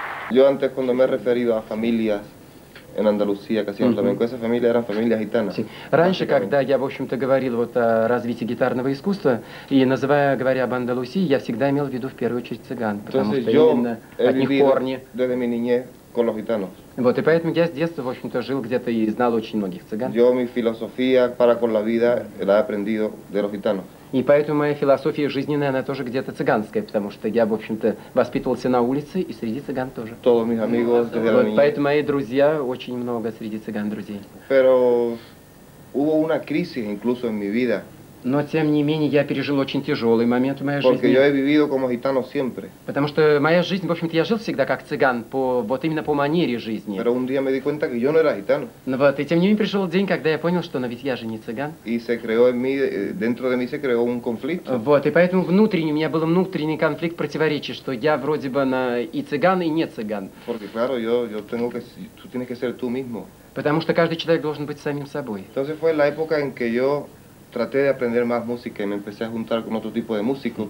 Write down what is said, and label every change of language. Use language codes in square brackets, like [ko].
[es] Yo antes, cuando me he referido a familias en Andalucía que hacían flamenco, esa familia eran familias gitanas. Sí. [ru] Раньше, когда я, в общем-то, говорил вот о развитии гитарного искусства, и называя, говоря об Андалусии, я всегда имел в виду в первую очередь цыган, потому что именно от них корни. [es] Desde mi niñez con los gitanos. [ru] Вот, и поэтому я с детства, в общем-то, жил где-то и знал очень многих цыган. [es] Yo mi filosofía para con la vida la he aprendido de los gitanos. [ru] И поэтому моя философия жизненная, она тоже где-то цыганская, потому что я, в общем-то, воспитывался на улице и среди цыган тоже. [es] Todos mis amigos desde la niñez. [ru] Поэтому мои друзья очень много среди цыган друзей. [es] Pero hubo una crisis incluso en mi vida. [ru] Но тем не менее я пережил очень тяжелый момент в моей жизни. [es] Porque yo he vivido como gitano siempre. [ru] Потому что моя жизнь, в общем-то, я жил всегда как цыган, по, вот именно по манере жизни. [es] Pero un día me di cuenta que yo no era gitano. [ru] Но вот, и тем не менее пришел день, когда я понял, что, но ведь я же не цыган. [es] Y se creó en mí, dentro de mí se creó un conflicto. [ru] Вот, и поэтому внутренний, у меня был внутренний конфликт противоречий, что я вроде бы на и цыган, и не цыган. [es] Porque claro, yo tengo que, tú tienes que ser tú mismo. [ru] Потому что каждый человек должен быть самим собой. [es] Entonces fue la época en que yo traté de aprender más música y me empecé a juntar con otro tipo de músicos.